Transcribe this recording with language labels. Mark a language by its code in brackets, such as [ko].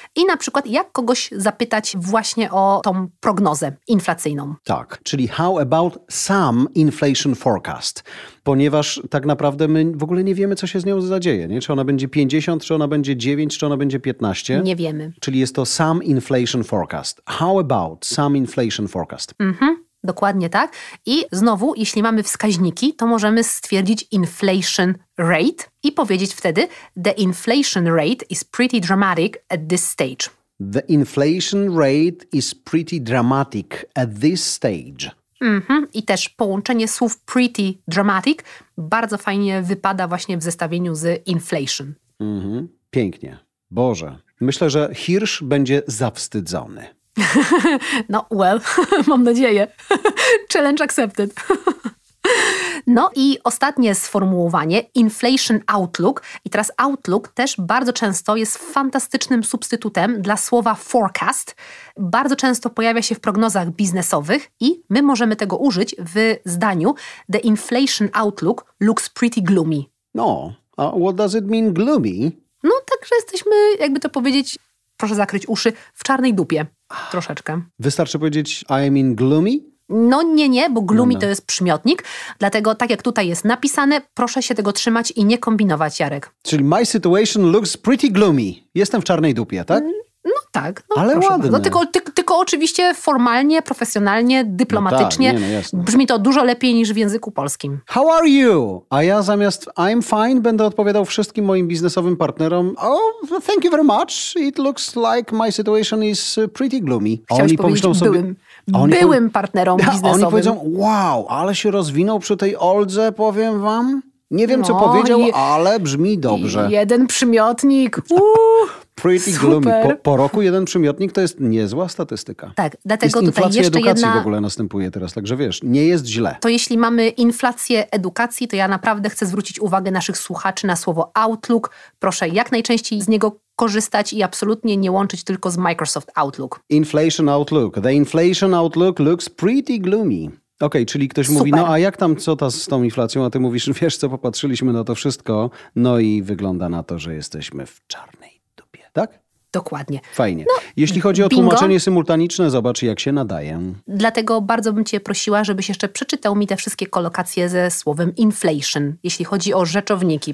[pl] I na przykład jak kogoś zapytać właśnie o tą prognozę inflacyjną. Tak, czyli [en] how about some inflation forecast? [pl] Ponieważ tak naprawdę my w ogóle nie wiemy, co się z nią zadzieje. Nie? Czy ona będzie 50, czy ona będzie 9, czy ona będzie 15? Nie wiemy. Czyli jest to [en] some inflation forecast. How about some inflation forecast? [pl] Mhm, dokładnie tak. I znowu, jeśli mamy wskaźniki, to możemy stwierdzić inflation rate i powiedzieć wtedy [en] the inflation rate is pretty dramatic at this stage. The inflation rate is pretty dramatic at this stage. [pl] Mm-hmm. I też połączenie słów [en] pretty dramatic [pl] bardzo fajnie wypada właśnie w zestawieniu z inflation. Mm-hmm. Pięknie. Boże. Myślę, że Hirsch będzie zawstydzony. No, well, mam nadzieję. [en] Challenge accepted. [pl] No i ostatnie sformułowanie, inflation outlook. I teraz outlook też bardzo często jest fantastycznym substytutem dla słowa forecast. Bardzo często pojawia się w prognozach biznesowych i my możemy tego użyć w zdaniu [en] the inflation outlook looks pretty gloomy. No, what does it mean gloomy? [pl] No, także jesteśmy, jakby to powiedzieć, proszę zakryć uszy, w czarnej dupie troszeczkę. Wystarczy powiedzieć [en] I am in gloomy? [pl] No nie, bo gloomy no. To jest przymiotnik, dlatego tak jak tutaj jest napisane, proszę się tego trzymać i nie kombinować, Jarek. Czyli [en] my situation looks pretty gloomy. [pl] Jestem w czarnej dupie, tak? No tak. No, ale ładnie. No, tylko oczywiście formalnie, profesjonalnie, dyplomatycznie. No tak, nie, no, brzmi to dużo lepiej niż w języku polskim. [en] How are you? [pl] A ja zamiast [en] I'm fine [pl] będę odpowiadał wszystkim moim biznesowym partnerom. [en] Oh, thank you very much. It looks like my situation is pretty gloomy. [pl] Chciałeś powiedzieć sobie... byłym partnerom biznesowym. Oni powiedzą, wow, ale się rozwinął przy tej oldze, powiem wam. Nie wiem, co powiedział, ale brzmi dobrze. Jeden przymiotnik. [en] Pretty super. Gloomy. [pl] Po roku jeden przymiotnik to jest niezła statystyka. Tak, dlatego jest tutaj jeszcze edukacji jedna... w ogóle następuje teraz, także wiesz, nie jest źle. To jeśli mamy inflację edukacji, to ja naprawdę chcę zwrócić uwagę naszych słuchaczy na słowo Outlook. Proszę jak najczęściej z niego korzystać i absolutnie nie łączyć tylko z Microsoft Outlook. [en] Inflation Outlook. The inflation outlook looks pretty gloomy. [pl] Okej, czyli ktoś super. Mówi, no a jak tam, co ta z tą inflacją? A ty mówisz, wiesz co, popatrzyliśmy na to wszystko, no i wygląda na to, że jesteśmy w czarnej. Tak? Dokładnie. Fajnie. No, jeśli chodzi o bingo. Tłumaczenie symultaniczne, zobacz, jak się nadaję. Dlatego bardzo bym cię prosiła, żebyś jeszcze przeczytał mi te wszystkie kolokacje ze słowem inflation, jeśli chodzi o rzeczowniki.